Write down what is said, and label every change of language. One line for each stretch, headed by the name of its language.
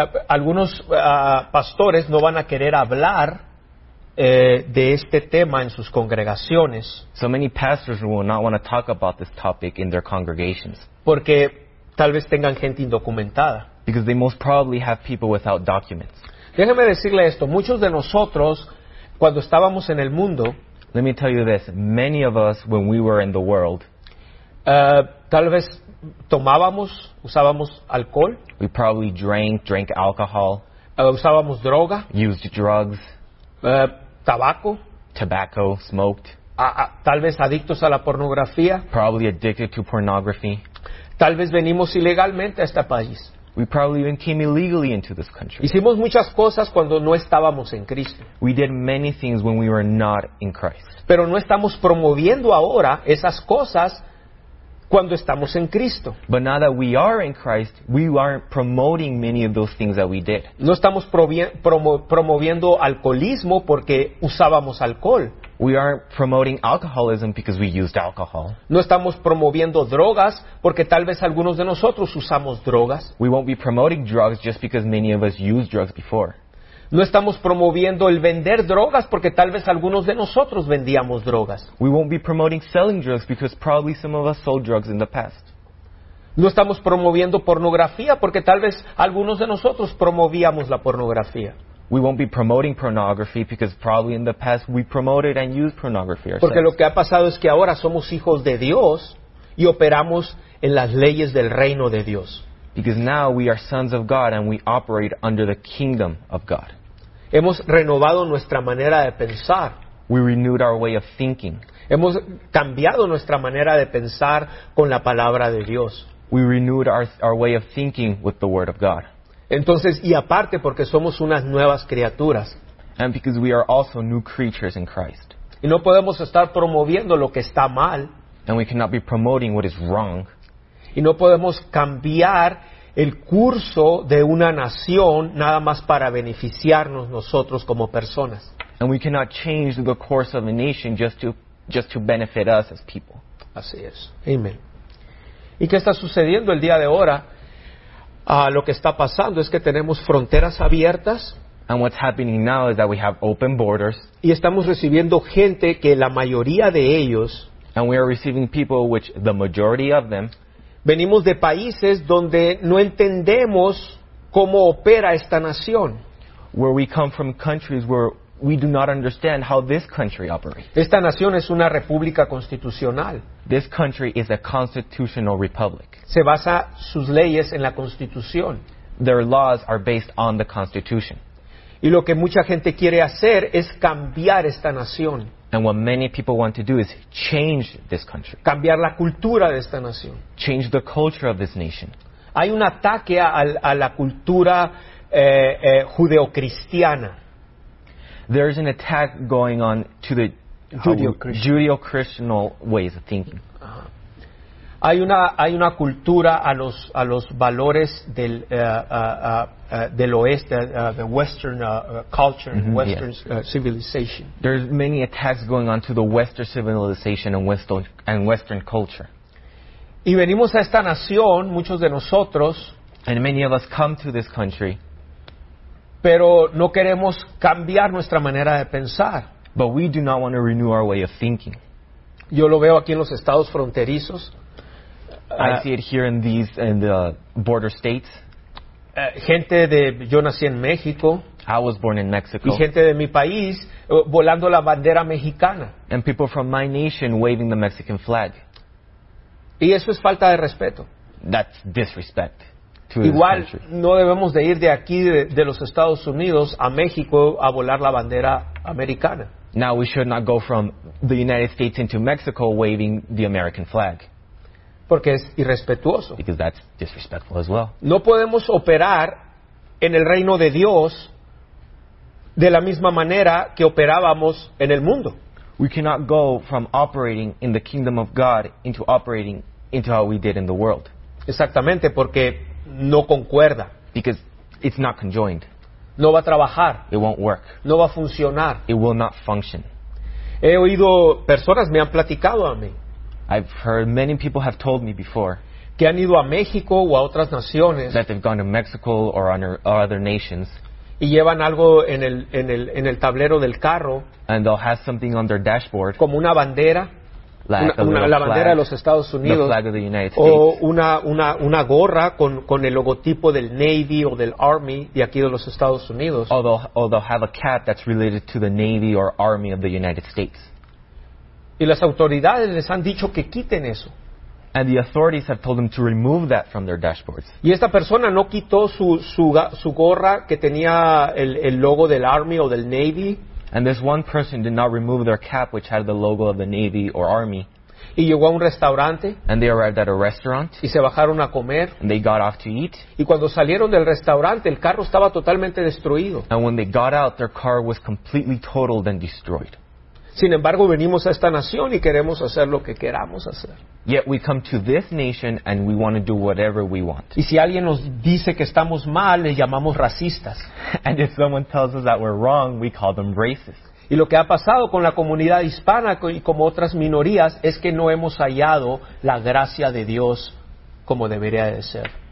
Spanish: Algunos pastores no van a querer hablar de este tema en sus congregaciones.
English: So many pastors will not want to talk about this topic in their congregations.
Spanish: Porque tal vez tengan gente indocumentada.
English: Because they most probably have people without documents.
Spanish: Déjeme decirle esto. Muchos de nosotros, cuando estábamos en el mundo,
English: let me tell you this. Many of us, when we were in the world,
Spanish: tal vez tomábamos, usábamos alcohol.
English: We probably drank alcohol.
Spanish: Usábamos droga.
English: Used drugs.
Spanish: Tabaco.
English: Tobacco, smoked.
Spanish: Tal vez adictos a la pornografía.
English: Probably addicted to pornography.
Spanish: Tal vez venimos ilegalmente a este país.
English: We probably even came illegally into this country.
Spanish: Hicimos muchas cosas cuando no estábamos en Cristo.
English: We did many things when we were not in Christ.
Spanish: Pero no estamos promoviendo ahora esas cosas cuando estamos en Cristo.
English: But now that we are in Christ, we aren't promoting many of those things that we did.
Spanish: No estamos promoviendo alcoholismo porque usábamos alcohol.
English: We aren't promoting alcoholism because we used alcohol.
Spanish: No estamos promoviendo drogas porque tal vez algunos de nosotros usamos drogas.
English: We won't be promoting drugs just because many of us used drugs before.
Spanish: No estamos promoviendo el vender drogas porque tal vez algunos de nosotros vendíamos drogas.
English: We won't be promoting selling drugs because probably some of us sold drugs in the past.
Spanish: No estamos promoviendo pornografía porque tal vez algunos de nosotros promovíamos la pornografía.
English: We won't be promoting pornography because probably in the past we promoted and used pornography ourselves.
Spanish: Porque lo que ha pasado es que ahora somos hijos de Dios y operamos en las leyes del reino de Dios.
English: Because now we are sons of God and we operate under the kingdom of God.
Spanish: Hemos renovado nuestra manera de pensar.
English: We renewed our way of thinking.
Spanish: Hemos cambiado nuestra manera de pensar con la palabra de Dios.
English: We renewed our way of thinking with the word of God.
Spanish: Entonces, y aparte, porque somos unas nuevas criaturas.
English: And because we are also new creatures in Christ.
Spanish: Y no podemos estar promoviendo lo que está mal.
English: And we cannot be promoting what is wrong.
Spanish: Y no podemos cambiar el curso de una nación nada más para beneficiarnos nosotros como personas.
English: And we cannot change the course of a nation just to benefit us as people.
Spanish: Así es. Amen. ¿Y qué está sucediendo el día de ahora? Lo que está pasando es que tenemos fronteras abiertas.
English: And what's happening now is that we have open borders.
Spanish: Y estamos recibiendo gente que la mayoría de ellos.
English: And we are receiving people which the majority of them.
Spanish: Venimos de países donde no entendemos cómo opera esta nación.
English: Where we come from countries where we do not understand how this country operates.
Spanish: Esta nación es una república constitucional.
English: This country is a constitutional republic.
Spanish: Se basa sus leyes en la constitución.
English: Their laws are based on the constitution.
Spanish: Y lo que mucha gente quiere hacer es cambiar esta nación.
English: And what many people want to do is change this country.
Spanish: Cambiar la cultura de esta nación.
English: Change the culture of this nation.
Spanish: Hay un ataque a la cultura judeocristiana.
English: There is an attack going on to the Judeo-Christian ways of thinking.
Spanish: Hay una cultura a los valores del del oeste,
English: the Western culture, mm-hmm, Western civilization. There's many attacks going on to the Western civilization and Western culture.
Spanish: Y venimos a esta nación, muchos de nosotros.
English: And many of us come to this country.
Spanish: Pero no queremos cambiar nuestra manera de pensar.
English: But we do not want to renew our way of thinking.
Spanish: Yo lo veo aquí en los estados fronterizos.
English: I see it here in the border states.
Spanish: Gente de, yo nací en México.
English: I was born in Mexico.
Spanish: Y gente de mi país volando la bandera mexicana.
English: And people from my nation waving the Mexican flag.
Spanish: Y eso es falta de respeto.
English: That's disrespect.
Spanish: Igual, no debemos de ir de aquí, de los Estados Unidos, a México, a volar la bandera americana.
English: Now we should not go from the United States into Mexico waving the American flag.
Spanish: Porque es irrespetuoso.
English: Because that's disrespectful as well.
Spanish: No podemos operar en el reino de Dios de la misma manera que operábamos en el mundo.
English: We cannot go from operating in the kingdom of God into operating into how we did in the world.
Spanish: Exactamente, porque no concuerda.
English: Because it's not conjoined.
Spanish: No va a trabajar.
English: It won't work.
Spanish: No va a funcionar.
English: It will not function.
Spanish: He oído personas, me han platicado a mí.
English: I've heard many people have told me before
Spanish: que han ido a México o a otras naciones,
English: that they've gone to Mexico or other nations,
Spanish: y llevan algo en el tablero del carro,
English: and they'll have something on their dashboard,
Spanish: como una bandera,
English: like
Spanish: la bandera
English: flag,
Spanish: de los Estados Unidos,
English: the flag of the United
Spanish: States, o una gorra con el logotipo del Navy o del Army de aquí de los Estados Unidos,
English: or they'll have a cap that's related to the Navy or Army of the United States.
Spanish: Y las autoridades les han dicho que quiten eso.
English: And the authorities have told them to remove that from their dashboards.
Spanish: Y esta persona no quitó su gorra que tenía el logo del Army o del Navy.
English: And this one person did not remove their cap which had the logo of the Navy or Army.
Spanish: Y llegó a un restaurante.
English: And they arrived at a restaurant.
Spanish: Y se bajaron a comer.
English: And they got off to eat.
Spanish: Y cuando salieron del restaurante, el carro estaba totalmente destruido.
English: And when they got out, their car was completely totaled and destroyed.
Spanish: Sin embargo, venimos a esta nación y queremos hacer lo que queramos hacer.
English: Yet we come to this nation and we want to do whatever we want.
Spanish: Y si alguien nos dice que estamos mal, le llamamos racistas.
English: And if someone tells us that we're wrong, we call them racist.
Spanish: Y lo que ha pasado con la comunidad hispana y como otras minorías es que no hemos hallado la gracia de Dios como debería de ser.